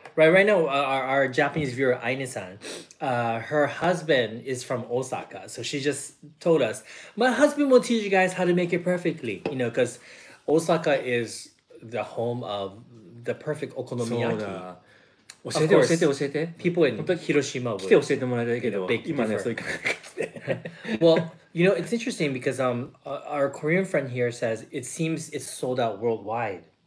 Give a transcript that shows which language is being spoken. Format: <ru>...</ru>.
<en>Right now, our Japanese viewer, Aine-san, her husband is from Osaka. So she just told us, my husband will teach you guys how to make it perfectly. You know, because Osaka is the home of the perfect okonomiyaki.</en> <ja>教えて、教えて、教えて。</ja> <en>People in Hiroshima would.</en> <ja>来て教えてもらいたいけど、今ね、そういう感じで。</ja> <en>Well, you know, it's interesting because our Korean friend here says it seems it's sold out worldwide.</en>